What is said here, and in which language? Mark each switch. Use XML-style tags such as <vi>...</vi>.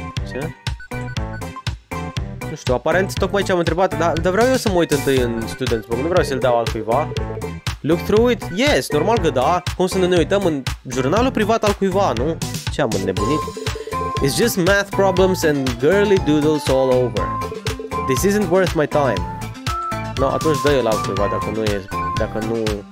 <ro>Ce? Nu știu, aparent tocmai ce am întrebat, dar vreau eu să mă uit întâi în student's book, nu vreau să-l dau altcuiva.</ro> <en>Look through it? Yes,</en> <ro>normal că da. Cum să ne uităm în jurnalul privat al cuiva, nu? Ce am înnebunit?</ro> <en>It's just math problems and girly doodles all over. This isn't worth my time.</en> <ro>No, atunci dă-i la altcuiva dacă nu e, dacă nu...</ro>